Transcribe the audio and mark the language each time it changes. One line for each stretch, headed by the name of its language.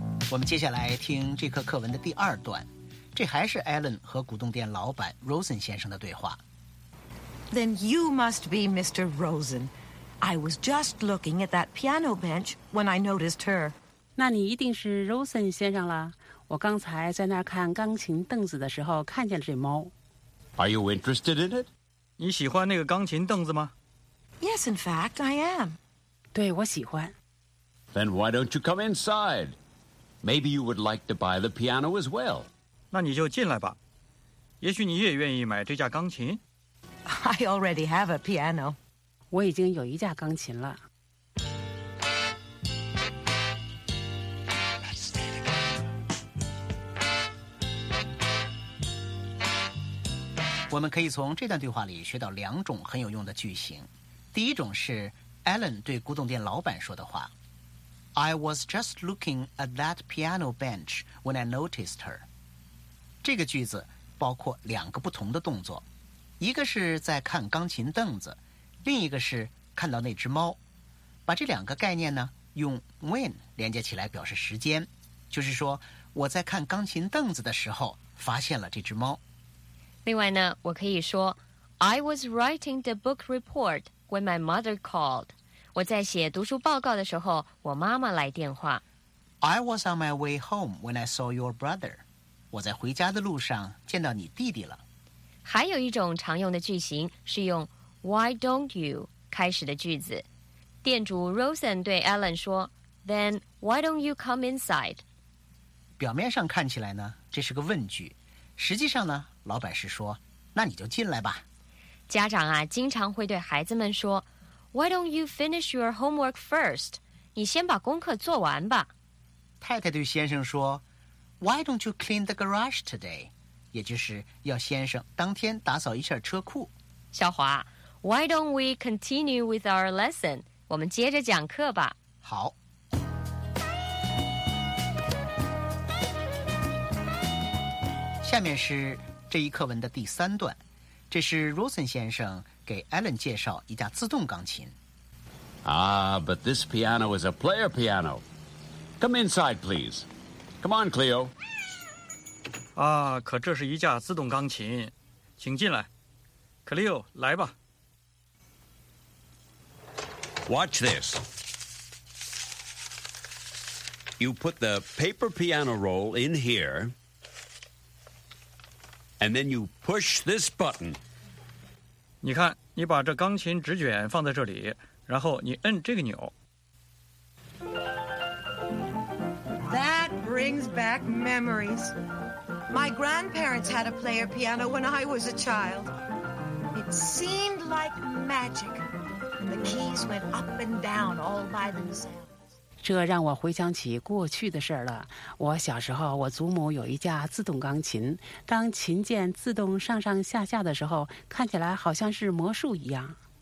Chinese: 我们接下来听这课课文的第二段。这还是 Alan 和古董店老板 Rosen 先生的对话。
English: Then you must be Mr. Rosen. I was just looking at that piano bench when I noticed her.
Chinese: 那你一定是 Rosen 先生了。我刚才在那儿看钢琴凳子的时候看见了这猫。
English: Are you interested in it?
Chinese: 你喜欢那个钢琴凳子吗？
English: Yes, in fact, I am.
Chinese: 对，我喜欢。
English: Then why don't you come inside? Maybe you would like to buy the piano as well.
Chinese: 那你就进来吧。也许你也愿意买这架钢琴。
English: I already have a piano.
Chinese: 我已经有一架钢琴了。我们可以从这段对话里学到两种很有用的句型。第一种是 Alan 对古董店老板说的话。
English: I was just looking at that piano bench when I noticed her.
Chinese: 这个句子包括两个不同的动作，一个是在看钢琴凳子，另一个是看到那只猫。把这两个概念呢，用 when 连接起来表示时间，就是说我在看钢琴凳子的时候发现了这只猫。另外呢，我可以说
English: I was writing the book report when my mother called.
Chinese: 我在写读书报告的时候，我妈妈来电话。
English: I was on my way home when I saw your brother.
Chinese: 我在回家的路上见到你弟弟了。还有一种常用的句型是用
English: Why don't you
Chinese: 开始的句子。店主
English: Rosen 对 Alan 说 Then why don't you come inside?
Chinese: 表面上看起来呢，这是个问句。实际上呢，老板是说那你就进来吧。家长啊，经常会对孩子们说
English: Why don't you finish your homework first?
Chinese: 你先把功课做完吧。太太对先生说
English: Why don't you clean the garage today?
Chinese: 也就是要先生当天打扫一下车库。
English: 小华 Why don't we continue with our lesson?
Chinese: 我们接着讲课吧。好。下面是这一课文的第三段。这是 Rosen 先生给 Alan 介绍一架自动钢琴。
English: Ah, but this piano is a player piano. Come inside, please. Come on, Cleo.
Chinese: 啊，可这是一架自动钢琴，请进来 ，Cleo， 来吧。
English: Watch this. You put the paper piano roll in here, and then you push this button.
Chinese: 你看，你把这钢琴纸卷放在这里，然后你摁这个钮。
English: That brings back memories. My grandparents had a player piano when I was a child. It seemed like magic. The keys went up and down all by themselves.
Chinese: 这让我回想起过去的事了。我小时候，我祖母有一架自动钢琴，当琴键自动上上下下的时候，看起来好像是魔术一样。